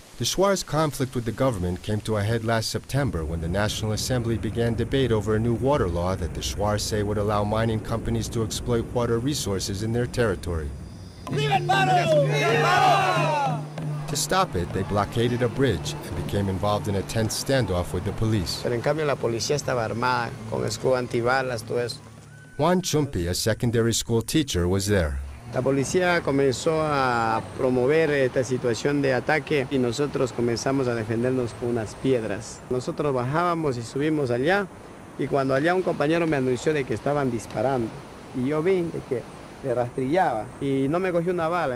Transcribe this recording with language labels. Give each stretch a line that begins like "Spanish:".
English: The Shuar's conflict with the government came to a head last September when the National Assembly began debate over a new water law that the Shuar say would allow mining companies to exploit water resources in their territory.
Spanish: ¡Viva el paro! ¡Viva el paro!
English: To stop it, they blockaded a bridge and became involved in a tense standoff with the police.
Spanish: Pero en cambio la policía estaba armada con escudo antibalas, todo eso.
English: Juan Chumpi, a secondary school teacher, was there.
Spanish: La policía comenzó a promover esta situación de ataque y nosotros comenzamos a defendernos con unas piedras. Nosotros bajábamos y subimos allá y cuando allá un compañero me anunció de que estaban disparando y yo vi de que le rastrillaba y no me cogió una bala.